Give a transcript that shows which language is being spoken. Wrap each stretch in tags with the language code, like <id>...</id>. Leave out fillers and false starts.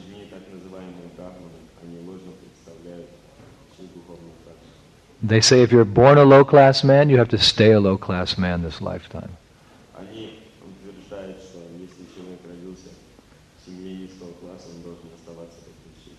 <ru>так называемые брахманы, они ложно представляют всю духовную практику.</ru> <en>They say if you're born a low-class man, you have to stay a low-class man this lifetime.</en> <ru>Они утверждают, что если человек родился в семье низкого класса, он должен оставаться таким.</ru>